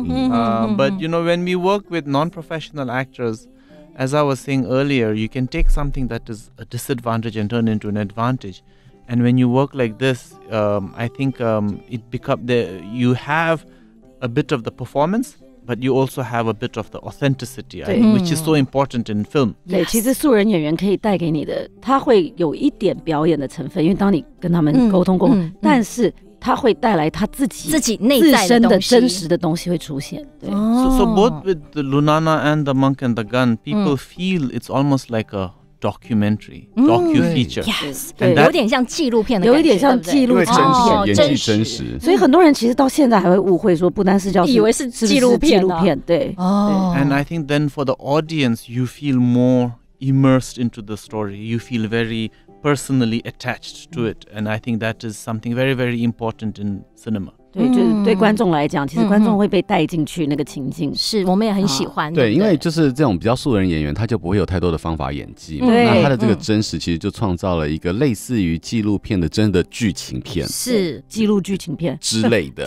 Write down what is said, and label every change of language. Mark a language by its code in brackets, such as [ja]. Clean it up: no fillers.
[en] But you know, when we work with non-professional actorsAs I was saying earlier, you can take something that is a disadvantage and turn into an advantage. And when you work like this, I think it become the, you have a bit of the performance, but you also have a bit of the authenticity, which is so important in film. [zh] 对，其实素人演员可以带给你的，他会有一点表演的成分，因为当你跟他们沟通过，但是他会带来他自己内在的自身的真实的东西会出现。对 [en] so both with the Lunana and the Monk and the Gun, people feel it's almost like a documentary, docu feature. Yes, that, [zh] 有点像纪录片的感觉，有点像纪录片，因为真实，演技真实。所以很多人其实到现在还会误会说不丹式教室，以为是纪录片。纪录片，对。 [en] And I think then for the audience, you feel more immersed into the story. You feel very. Personally attached to it, and I think that is something very, very important in cinema. [zh] 对，就是对观众来讲，其实观众会被带进去那个情境，是我们也很喜欢。对，因为就是这种比较素人演员，他就不会有太多的方法演技嘛，那他的这个真实其实就创造了一个类似于纪录片的真的剧情片，是记录剧情片之类的。